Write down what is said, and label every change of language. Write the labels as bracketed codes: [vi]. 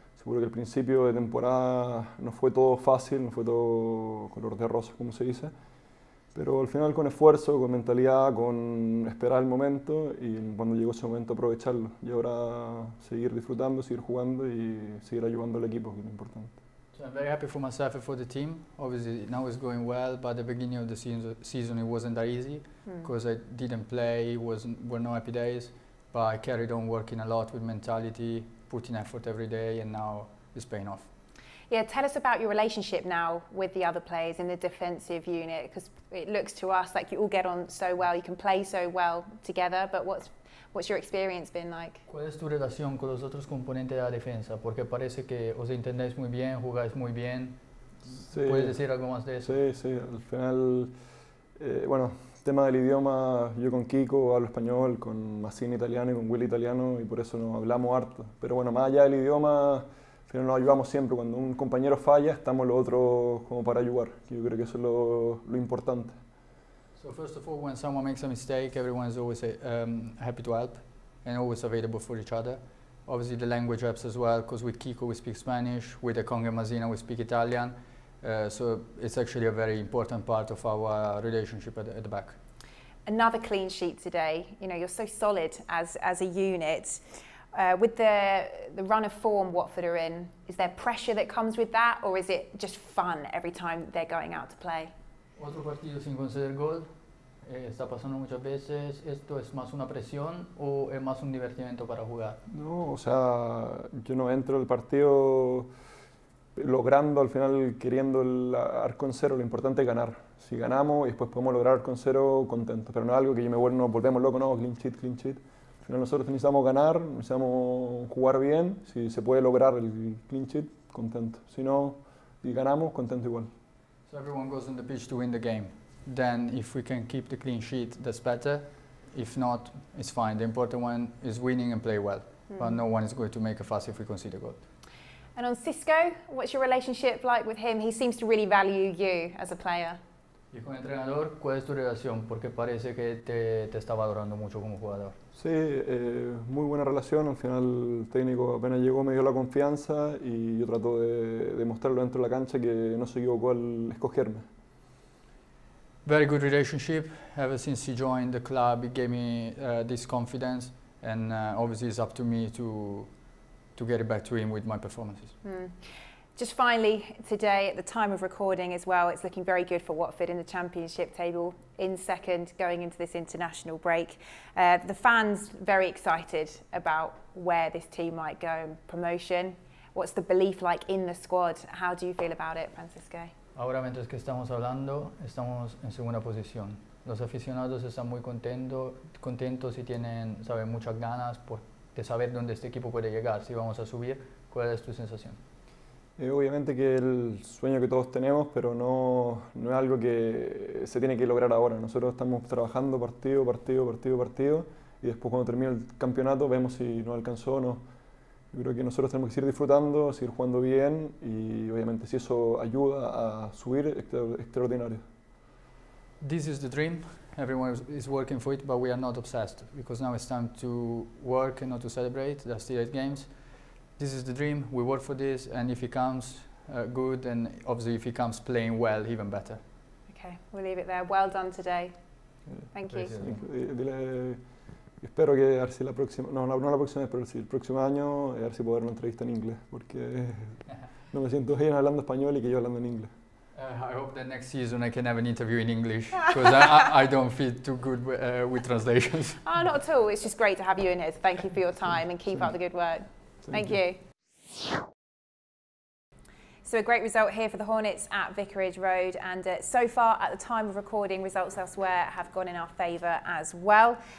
[es] Seguro que el principio de temporada no fue todo fácil, no fue todo color de rosa, como se dice. Pero al final con esfuerzo, con mentalidad, con esperar el momento y cuando llegó ese momento aprovecharlo. Y ahora seguir disfrutando, seguir jugando y seguir ayudando al equipo, que es lo importante. [en] I'm very happy for myself and for the team. Obviously, now it's going well, but at the beginning of the season it wasn't that easy because I didn't play, were no happy days, but I carried on working a lot with mentality, putting effort every day, and now it's paying off. Yeah, tell us about your relationship now with the other players in the defensive unit, because it looks to us like you all get on so well, you can play so well together, but what's your experience been like? [es] ¿Cuál es tu relación con los otros componentes de la defensa? Porque parece que os entendéis muy bien, jugáis muy bien. Sí. ¿Puedes decir algo más de eso? Sí, sí. Al final, bueno, tema del idioma, yo con Kiko hablo español, con Massini italiano y con Willy italiano, y por eso nos hablamos harto. Pero bueno, más allá del idioma, al final nos ayudamos siempre. Cuando un compañero falla, estamos los otros como para ayudar. Yo creo que eso es lo importante. [en] So first of all, when someone makes a mistake, everyone is always happy to help and always available for each other. Obviously, the language helps as well, because with Kiko we speak Spanish, with Ekong and Masina we speak Italian. So it's actually a very important part of our relationship at the back. Another clean sheet today. You know, you're so solid as a unit. With the run of form Watford are in, is there pressure that comes with that, or is it just fun every time they're going out to play? [es] Otro partido sin conceder gol, está pasando muchas veces. ¿Esto es más una presión o es más un divertimento para jugar? No, o sea, yo no entro al partido logrando al final, queriendo el arco en cero. Lo importante es ganar. Si ganamos y después podemos lograr arco en cero, contento. Pero no es algo que yo me vuelva, nos volvemos locos, no, [en] clean sheet, clean sheet. [es] Al final nosotros necesitamos ganar, necesitamos jugar bien. Si se puede lograr el clean sheet, contento. Si no, y ganamos, contento igual. [en] So everyone goes on the pitch to win the game. Then if we can keep the clean sheet, that's better. If not, it's fine. The important one is winning and play well. Mm. But no one is going to make a fuss if we concede a goal. And on Cisco, what's your relationship like with him? He seems to really value you as a player. [es] ¿Y con el entrenador, cuál es tu relación? Porque parece que te está valorando mucho como jugador. Sí, muy buena relación. Al final, el técnico apenas llegó, me dio la confianza y yo trato de mostrarlo dentro de la cancha que no se equivocó al escogerme. [en] Very good relationship. Ever since he joined the club, he gave me this confidence. And obviously, it's up to me to get it back to him with my performances. Mm. Just finally, today, at the time of recording as well, it's looking very good for Watford in the Championship table, in second, going into this international break. The fans very excited about where this team might go in promotion. What's the belief like in the squad? How do you feel about it, Francisco? [es] Ahora, mientras que estamos hablando, estamos en segunda posición. Los aficionados están muy contentos y tienen, saben, muchas ganas de saber dónde este equipo puede llegar. Si vamos a subir, ¿cuál es tu sensación? Obviamente que el sueño que todos tenemos, pero no es algo que se tiene que lograr ahora. Nosotros estamos trabajando partido, partido, partido, partido, y después cuando termine el campeonato vemos si nos alcanzó o no. Yo creo que nosotros tenemos que seguir disfrutando, seguir jugando bien, y obviamente si eso ayuda a subir, extraordinario. [en] This is the dream. Everyone is working for it, but we are not obsessed, because now it's time to work and not to celebrate. There are still 8 games. This is the dream, we work for this, and if he comes good, and obviously if he comes playing well, even better. Okay, we'll leave it there. Well done today. Thank you. [es] Dile, espero que a ver si la próxima, no la próxima vez, pero si el próximo año, a ver si puedo dar una entrevista en inglés, porque no me siento bien hablando español y que yo hablando en inglés. [en] I hope that next season I can have an interview in English, because I don't fit too good with translations. Oh, not at all. It's just great to have you in here. So thank you for your time and keep up the good work. Thank you. So a great result here for the Hornets at Vicarage Road, and so far at the time of recording, results elsewhere have gone in our favour as well.